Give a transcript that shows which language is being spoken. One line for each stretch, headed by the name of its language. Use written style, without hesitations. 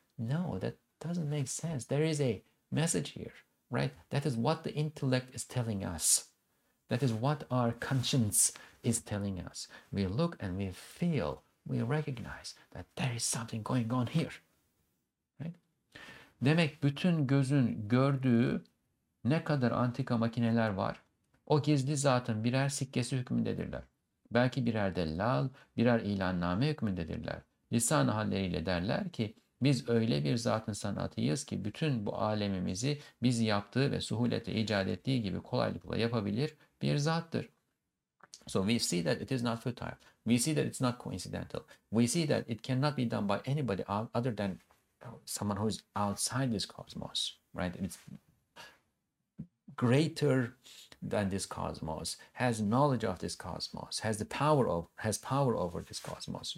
English: No, that doesn't make sense. There is a message here, right? That is what the intellect is telling us. That is what our conscience is telling us. We look and we feel, we recognize that there is something going on here, right?
Turkish: Demek bütün gözün gördüğü ne kadar antika makineler var. O gizli zatın birer sikkesi hükmündedirler. Belki birer dellal, birer ilanname hükmündedirler. Lisan halleriyle derler ki, biz öyle bir zatın sanatıyız ki bütün bu alemimizi bizi yaptığı ve suhulete icat ettiği gibi kolaylıkla yapabilir bir zattır.
English: So we see that it is not futile. We see that it's not coincidental. We see that it cannot be done by anybody other than someone who is outside this cosmos, right? It's greater than this cosmos, has knowledge of this cosmos, has power over this cosmos.